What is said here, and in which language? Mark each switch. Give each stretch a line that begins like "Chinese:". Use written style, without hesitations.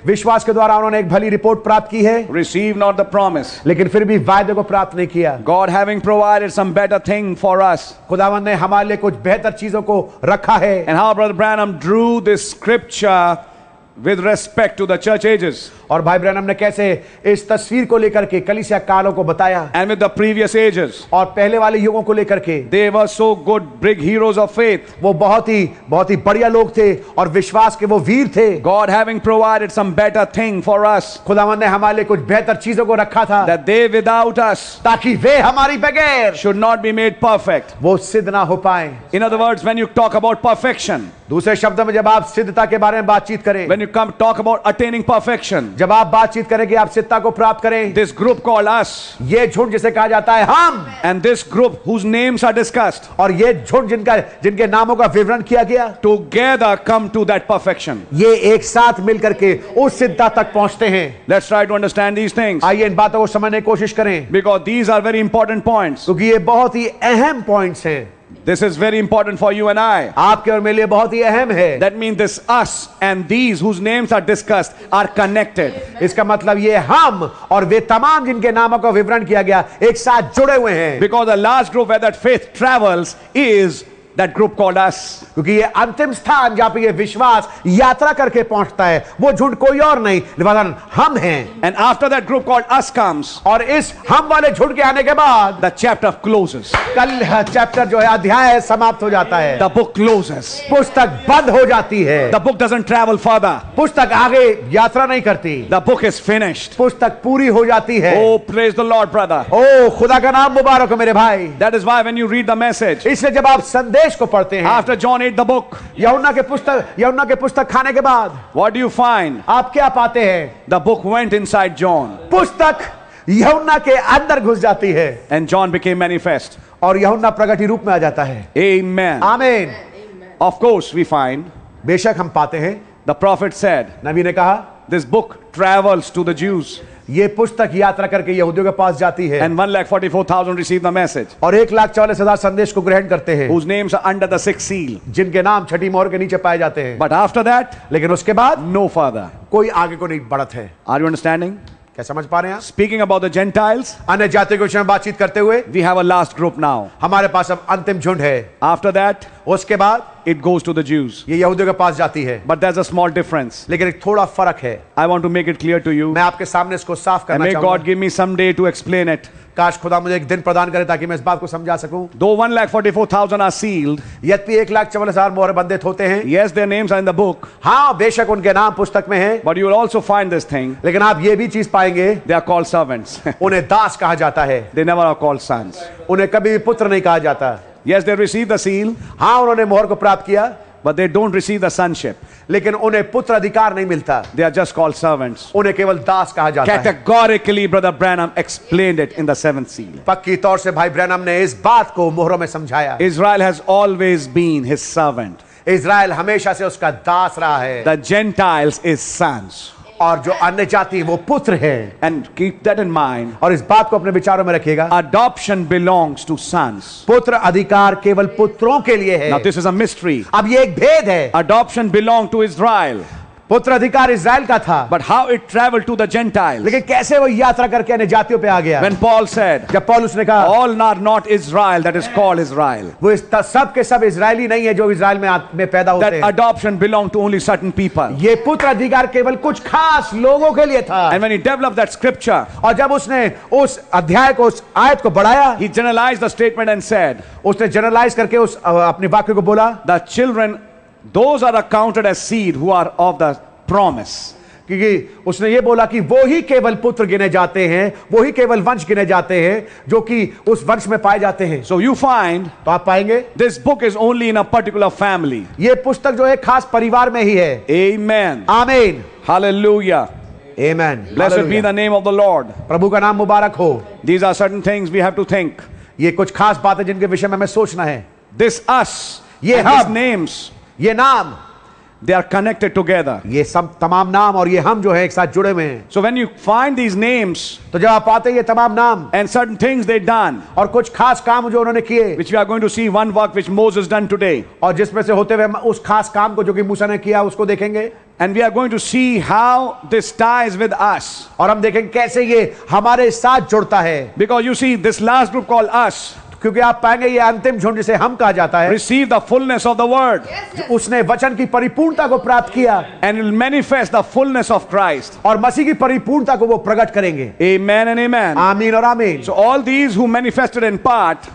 Hindi: विश्वास के द्वारा उन्होंने एक भली रिपोर्ट प्राप्त की है,
English: received not the promise,
Hindi: लेकिन फिर भी वायदे को प्राप्त नहीं किया,
English: God having provided some better thing for us,
Hindi: खुदावंद ने हमारे लिए कुछ बेहतर चीजों को रखा है,
English: and how Brother Branham drew this scripture with respect to the church ages,
Hindi: और भाई ब्रैनम ने कैसे इस तस्वीर को लेकर के कलीसिया कालों को बताया,
English: and with the previous ages,
Hindi: और पहले वाले युगों को लेकर के,
English: they were so good big heroes of faith,
Hindi: वो बहुत ही बढ़िया लोग थे और विश्वास के वो वीर थे,
English: God having provided some better thing for us,
Hindi: खुदावंद ने हमारे लिए कुछ बेहतर चीजों को रखा था,
English: that they without us,
Hindi: ताकि वे हमारी बगैर,
English: should not be made perfect,
Hindi: वो सिद्ध ना हो पाए.
English: In other words, when you talk about perfection,
Hindi: दूसरे शब्द में जब आप सिद्धता के बारे में बातचीत करें,
English: when you come talk about attaining perfection,
Hindi: जब आप बातचीत करें कि आप सिद्धता को प्राप्त करें,
English: this group called us,
Hindi: ये झुंड जिसे कहा जाता है हम,
English: and this group whose names are discussed,
Hindi: और ये झुंड जिनका जिनके नामों का विवरण किया गया,
English: together come to that perfection,
Hindi: ये एक साथ मिलकर के उस सिद्धता तक पहुंचते हैं.
English: Let's try to understand these things.
Hindi: आइए इन बातों को समझने की कोशिश करें.
English: Because these are very important points.
Hindi: क्योंकि ये बहुत ही अहम पॉइंट्स हैं.
English: This is very important for you and I.
Hindi: आपके और मेरे लिए बहुत ही अहम है.
English: That means this us and these whose names are discussed are connected.
Hindi: इसका मतलब ये हम और वे तमाम जिनके नामों का विवरण किया गया एक साथ जुड़े हुए हैं.
English: Because the last group where that faith travels is that group called us.
Hindi: क्योंकि ये अंतिम स्थान जहाँ पे ये विश्वास यात्रा करके पहुंचता है वो झुंड कोई और नहीं निवारण हम हैं.
English: And after that group called us comes,
Hindi: और इस हम वाले झुंड के आने के बाद,
English: the chapter closes.
Hindi: कल चैप्टर जो है अध्याय समाप्त हो जाता है.
English: The book closes.
Hindi: पुस्तक बंद हो जाती है.
English: The book doesn't travel further.
Hindi: पुस्तक आगे यात्रा नहीं करती.
English: The book is finished.
Hindi: पुस्तक पूरी हो जाती है.
English: Oh praise the Lord brother.
Hindi: Oh खुदा का नाम मुबारक हो मेरे भाई.
English: That is why when you read the message,
Hindi: इसलिए जब आप संदेश को पढ़ते हैं,
English: after John ate the book,
Hindi: यहुन्ना के पुस्तक खाने के बाद,
English: what do you find?
Hindi: आप क्या पाते हैं?
English: The book went inside John.
Hindi: पुस्तक यहुन्ना के अंदर घुस जाती है.
English: And John became manifest.
Hindi: और यहुन्ना प्रगति रूप में आ जाता है.
English: Amen. Amen. Of course, we find.
Hindi: बेशक हम पाते हैं.
English: The prophet said.
Hindi: नबी ने कहा.
English: This book travels to the Jews.
Hindi: ये पुस्तक यात्रा करके यहूदियों के पास जाती है.
English: And 144,000 receive the message.
Hindi: और 144,000 संदेश को ग्रहण करते हैं.
English: Whose names are under the sixth seal.
Hindi: जिनके नाम छठी मोहर के नीचे पाए जाते हैं.
English: But after that,
Hindi: लेकिन उसके बाद,
English: no further.
Hindi: कोई आगे को नहीं बढ़त है.
English: Are you understanding?
Hindi: क्या समझ पा रहे हैं?
English: Speaking about the Gentiles,
Hindi: अन्य जाति के विषय में बातचीत करते हुए,
English: we have a last group now.
Hindi: हमारे पास अब अंतिम झुंड है.
English: After that,
Hindi: उसके बाद,
English: it goes to the Jews.
Hindi: ये यहूदियों के पास जाती है.
English: But there's a small difference.
Hindi: लेकिन एक थोड़ा फर्क है.
English: I want to make it clear to you.
Hindi: मैं आपके सामने इसको साफ करना चाहूँगा.
English: May God give me some day to explain it.
Hindi: काश खुदा मुझे एक दिन प्रदान करे ताकि मैं इस बात को समझा सकूं.
English: Though 144,000 are sealed,
Hindi: यद्यपि 144,000 मोहर बंधित होते हैं.
English: Yes, their names are in the book.
Hindi: हाँ, बेशक उनके नाम पुस्तक में हैं.
English: But you will also find this thing.
Hindi: लेकिन आप ये भी चीज पाएंगे.
English: They are called servants.
Hindi: उन्हें दास कहा जाता है.
English: They never are called sons.
Hindi: उन्हें कभी भी पुत्र नहीं कहा जाता.
English: Yes, they received the seal.
Hindi: हाँ, उन्होंने मोहर को प्राप्त किया.
English: But they don't receive the sonship.
Hindi: लेकिन उन्हें पुत्र अधिकार नहीं मिलता.
English: They are just called servants.
Hindi: उन्हें केवल दास कहा जाता है.
English: Categorically, Brother Branham explained it in the seventh seal.
Hindi: पक्की तौर से भाई ब्रैनम ने इस बात को मोहरों में समझाया.
English: Israel has always been his servant.
Hindi: Israel हमेशा से उसका दास रहा है.
English: The Gentiles is sons.
Hindi: और जो अन्य जाति वो पुत्र हैं.
English: And keep that in mind.
Hindi: और इस बात को अपने विचारों में रखिएगा.
English: Adoption belongs to sons.
Hindi: पुत्र अधिकार केवल पुत्रों के लिए है.
English: Now this is a mystery.
Hindi: अब ये एक भेद है.
English: Adoption belonged to Israel.
Hindi: पुत्र अधिकार इज़राइल का था.
English: But how it traveled to the Gentiles?
Hindi: लेकिन कैसे वो यात्रा करके अन्य जातियों पे आ गया?
English: When Paul said,
Hindi: जब पॉल उसने कहा,
English: All are not Israel that is called Israel.
Hindi: वो सब के सब इज़राइली नहीं है जो इज़राइल में पैदा होते हैं.
English: That adoption belonged to only certain people.
Hindi: ये पुत्र अधिकार केवल कुछ खास लोगों के लिए था.
English: And when he developed that scripture,
Hindi: और जब उसने उस अध्याय को उस आयत को बढ़ाया,
English: he generalized the statement and said,
Hindi: उसने जनरलाइज करके उस अपने वाक्य को बोला,
English: The children Those are accounted as seed who are of the promise.
Hindi: क्योंकि उसने ये बोला कि वो ही केवल पुत्र गिने जाते हैं, वो ही केवल वंश गिने जाते हैं जो कि उस वंश में पाए जाते हैं.
English: So you find,
Hindi: तो आप पाएंगे,
English: this book is only in a particular family.
Hindi: ये पुस्तक जो है खास परिवार में ही है.
English: Amen. Amen. Hallelujah. Amen. Blessed Hallelujah. Be the name of the Lord.
Hindi: प्रभु का नाम मुबारक हो.
English: These are certain things we have to think.
Hindi: ये कुछ खास बातें जिनके विषय में हमें सोचना है.
English: This us,
Hindi: ये
English: हम, these names,
Hindi: ये नाम,
English: they are connected together.
Hindi: ये सब तमाम नाम और ये हम जो है एक साथ जुड़े हुए हैं.
English: So when you find these names,
Hindi: तो जब आप पाते हैं ये तमाम नाम,
English: and certain things they done,
Hindi: और कुछ खास काम जो उन्होंने किए,
English: which we are going to see one work which Moses done today,
Hindi: और जिसमें से होते हुए उस खास काम को जो कि मूसा ने किया उसको देखेंगे,
English: and we are going to see how this ties with us,
Hindi: और हम देखेंगे कैसे ये हमारे साथ जुड़ता है,
English: because you see this last group called us.
Hindi: क्योंकि आप पाएंगे ये अंतिम झुंड जिसे हम कहा जाता है,
English: receive the fullness of the word,
Hindi: उसने वचन की परिपूर्णता को प्राप्त किया,
English: and will manifest the fullness of Christ,
Hindi: और मसीह की परिपूर्णता को वो प्रकट करेंगे.
English: Amen and amen.
Hindi: आमीन और आमीन.
English: so all these who manifested in part,